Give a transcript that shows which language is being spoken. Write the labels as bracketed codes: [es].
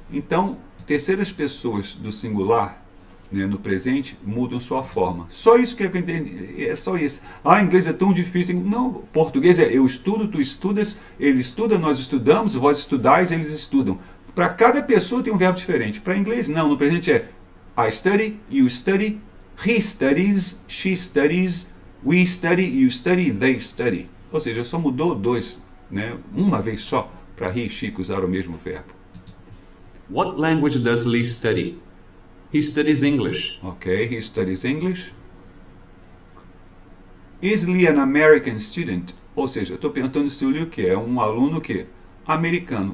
[pt] Então, terceiras pessoas do singular, né, no presente, mudam sua forma. Só isso que eu entendi. É só isso. Ah, inglês é tão difícil. Não, português é eu estudo, tu estudas, ele estuda, nós estudamos, vós estudais, eles estudam. Para cada pessoa tem um verbo diferente. Para inglês, não. No presente é [en] I study, you study, he studies, she studies, we study, you study, they study. [pt] Ou seja, só mudou dois, né? Uma vez só, para he e she usar o mesmo verbo. [en] What language does Lee study? He studies English. Ok, he studies English. Is Lee an American student? [pt] Ou seja, estou perguntando se o Lee o quê? É um aluno o quê? Americano.